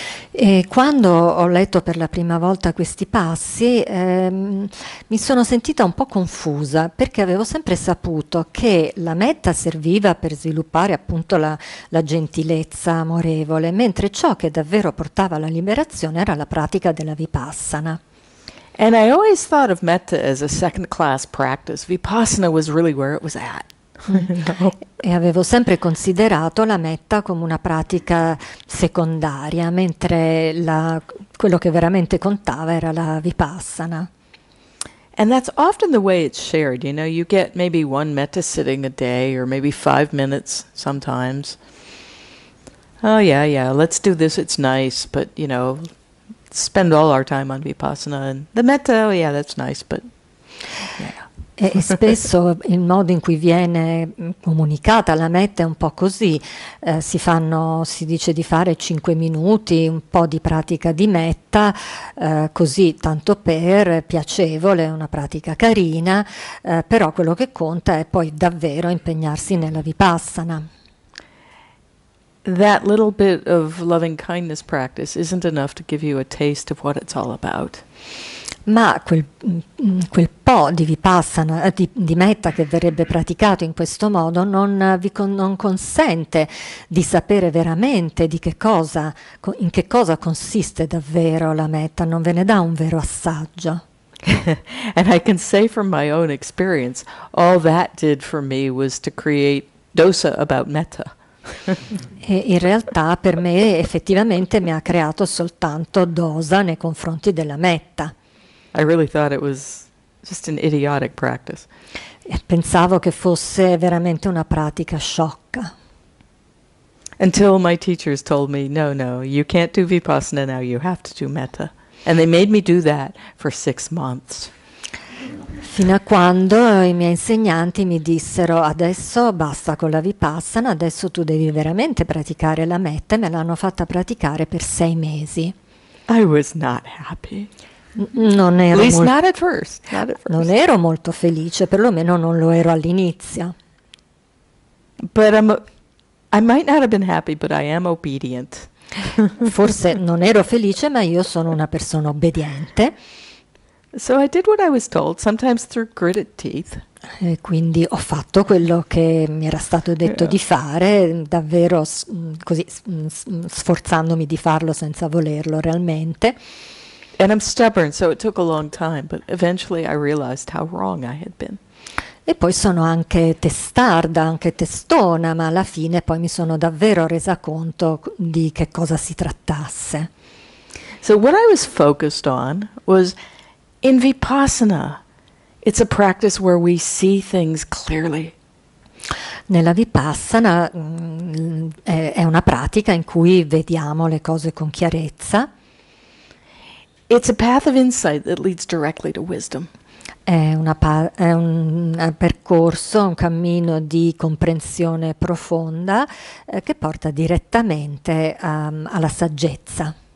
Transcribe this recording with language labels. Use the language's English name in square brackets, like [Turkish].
[Italian] E quando ho letto per la prima volta questi passi, mi sono sentita un po' confusa perché avevo sempre saputo che la metta serviva per sviluppare appunto la gentilezza amorevole, mentre ciò che davvero portava alla liberazione era la pratica della vipassana. [English] And I always thought of metta as a second class practice. Vipassana was really where it was at. No. [Italian] E avevo sempre considerato la metta come una pratica secondaria, mentre quello che veramente contava era la vipassana. [English] And that's often the way it's shared, you know, you get maybe one metta sitting a day or maybe 5 minutes sometimes. Oh yeah, yeah, let's do this, it's nice, but you know, spend all our time on vipassana and the metta, oh yeah, that's nice, but yeah. [Italian] E spesso il modo in cui viene comunicata la metta è un po' così, si dice di fare 5 minuti, un po' di pratica di metta, così tanto per, piacevole, una pratica carina, però quello che conta è poi davvero impegnarsi nella vipassana. [English] That little bit of loving kindness practice isn't enough to give you a taste of what it's all about. [Italian] Ma quel po' di vipassana, di metta che verrebbe praticato in questo modo non consente di sapere veramente in che cosa consiste davvero la metta, non ve ne dà un vero assaggio. [English] And I can say from my own experience, all that did for me was to create dosa about metta. [Italian] E in realtà per me effettivamente mi ha creato soltanto dosa nei confronti della metta. [English] I really thought it was just an idiotic practice. [Italian] Pensavo che fosse veramente una pratica sciocca. [English] Until my teachers told me, no, no, you can't do vipassana now, you have to do metta. And they made me do that for 6 months. [Italian] Fino a quando i miei insegnanti mi dissero: adesso basta con la Vipassana, adesso tu devi veramente praticare la metta, e me l'hanno fatta praticare per 6 mesi. [English] I was not happy. [Italian] Non ero, [English] at least not at first. Not at first. [Italian] Non ero molto felice, perlomeno non lo ero all'inizio. [English] But I might not have been happy, but I am obedient. [Italian] Forse non ero felice, ma io sono una persona obbediente. [English] So I did what I was told, sometimes through gritted teeth. [Italian] E quindi ho fatto quello che mi era stato detto di fare, davvero così sforzandomi di farlo senza volerlo realmente. [English] And I'm stubborn, so it took a long time, but eventually I realized how wrong I had been. [Italian] E poi sono anche testarda, anche testona, ma alla fine poi mi sono davvero resa conto di che cosa si trattasse. [English] So what I was focused on was in Vipassana, it's a practice where we see things clearly. [Italian] Nella Vipassana è una pratica in cui vediamo le cose con chiarezza. [English] It's a path of insight that leads directly to wisdom. [Italian] È un percorso, un cammino di comprensione profonda che porta direttamente alla saggezza.